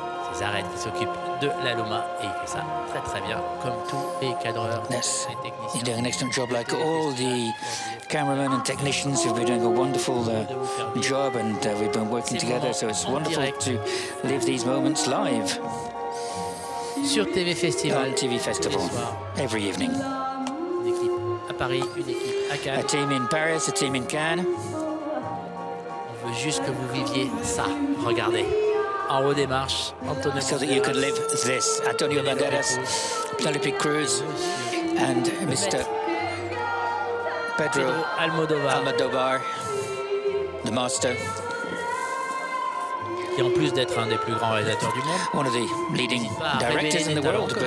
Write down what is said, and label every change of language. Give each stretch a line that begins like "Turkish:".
French: César qui s'occupe de la Loma et il fait ça très très bien, comme tous les cadreurs.
English: Yes, he's doing an excellent job, like all the cameramen and technicians who've been doing a wonderful job, and we've been working together, so it's wonderful to live these moments live.
French: Sur TV Festival.
English: On TV Festival, every evening.
French: Une équipe à Paris, une équipe à Cannes.
English: A team in Paris, a team in Cannes.
French: On veut juste que vous viviez ça. Regardez. En haut des marches, Antonio Banderas.
English: So that you could live this. Antonio Banderas, Penelope Cruz, and Mr. Pedro Almodovar, the master.
French: Et en plus d'être un des plus grands réalisateurs du monde,
English: one of the leading directors in the world, but